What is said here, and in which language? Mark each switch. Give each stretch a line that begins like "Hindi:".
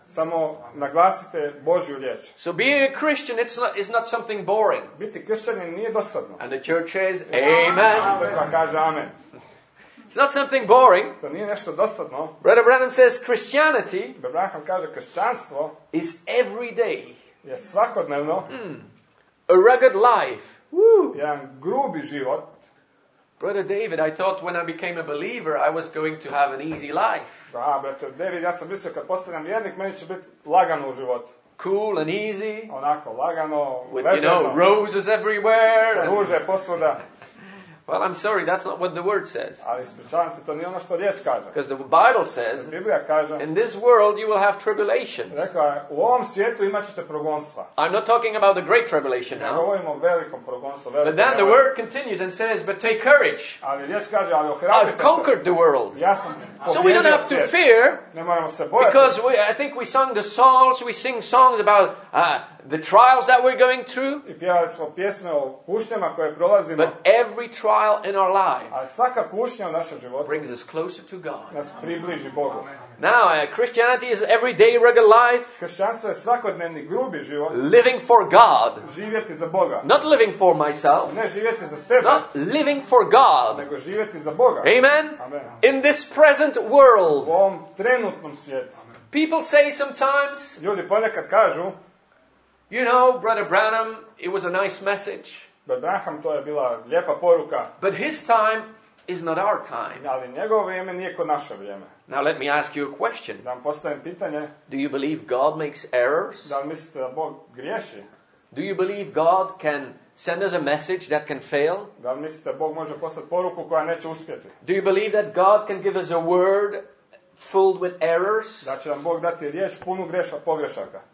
Croatian: Samo naglasite Božju riječ.
English: So being a Christian, it's not something boring.
Croatian: Biti kršćanin nije dosadno.
English: And the church says, amen.
Croatian: Crkva kaže amen.
English: It's not something boring.
Croatian: To nije nešto dosadno.
English: Brother Branham says Christianity.
Croatian: Brother Branham kaže kršćanstvo.
English: Is every day.
Croatian: Je svakodnevno.
English: A rugged life.
Croatian: Jedan grubi život.
English: Brother David, I thought when I became a believer, I was going to have an easy life.
Croatian: Da, brate David, ja sam mislio kad postanem vjernik, meni će biti lagano u životu.
English: Cool and easy.
Croatian: Onako, lagano,
English: with, you know, roses everywhere.
Croatian: Ruže posvuda.
English: Well, I'm sorry, that's not what the word says.
Croatian: Ali ispričavam se, to nije ono što riječ kaže.
English: Because the Bible says,
Croatian: Biblija kaže,
English: in this world you will have tribulations.
Croatian: Rekao je, u ovom svijetu imat ćete progonstva.
English: I'm not talking about the great tribulation now.
Croatian: Govorim o velikom progonstvu, velikom.
English: But then the word continues and says, but take courage.
Croatian: Ali riječ kaže, ali ohrabrite se.
English: I've conquered the world.
Croatian: Ja sam
English: so we don't have to fear.
Croatian: Ne moramo se bojati.
English: Because we, I think we sung the songs, we sing songs about the trials that we're going through.
Croatian: I pjevali smo pjesme o kušnjama koje prolazimo.
English: But every trial in our life,
Croatian: a svaka kušnja u našem životu,
English: brings us closer to God.
Croatian: Nas približi Bogu.
English: Now, Christianity is everyday regular life.
Croatian: Kršćanstvo je svakodnevni grubi život.
English: Living for God.
Croatian: Živjeti za Boga.
English: Not living for myself.
Croatian: Ne živjeti za sebe.
English: Not living for God.
Croatian: Nego živjeti za Boga.
English: Amen.
Croatian: Amen.
English: In this present world.
Croatian: U ovom trenutnom svijetu.
English: People say sometimes.
Croatian: Ljudi ponekad kažu.
English: You know, Brother Branham, it was a nice message.
Croatian: Brother Branham, to je bila lijepa poruka.
English: But his time is not our time.
Croatian: Ali njegovo vrijeme nije ko naše vrijeme.
English: Now let me ask you a question.
Croatian: Da vam postavim pitanje.
English: Do you believe God makes errors?
Croatian: Da li mislite da Bog griješi?
English: Do you believe God can send us a message that can fail?
Croatian: Da li mislite da Bog može poslati poruku koja neće uspjeti?
English: Do you believe that God can give us a word filled with errors?
Croatian: Da će nam Bog dati riječ punu greša, pogrešaka.